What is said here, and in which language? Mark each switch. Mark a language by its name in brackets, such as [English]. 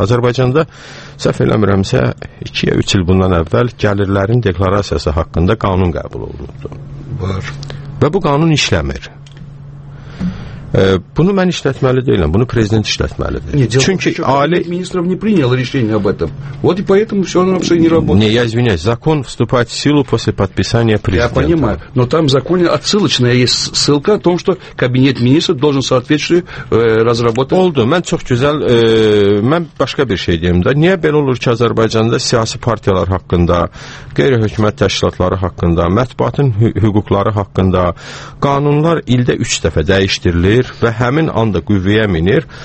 [Azerbaijani] Azərbaycanda, səhv eləmirəmsə, 2-3 il bundan əvvəl gəlirlərin deklarasiyası haqqında qanun qəbul olunubdur. Var. Və bu qanun işləmir. Bunu mən işlətməli deyiləm, bunu prezident işlətməlidir. Çünki [Russian] ali ministrov ne prinyal reşeniye об этом. Вот и поэтому всё оно вообще не работает. Не, я извиняюсь, закон вступает в силу после подписания президента. Я понимаю, но там в законе отсылочная есть ссылка о том, что кабинет министров должен соответствующе разработать. [Azerbaijani] Oldu, mən çox gözəl mən başqa bir şey deyim də. Niyə belə olur ki, Azərbaycanda siyasi partiyalar haqqında, qeyri-hökumət təşkilatları haqqında, mətbuatın hüquqları haqqında qanunlar ildə 3 dəfə dəyişdirilir və həmin anda qüvvəyə minir.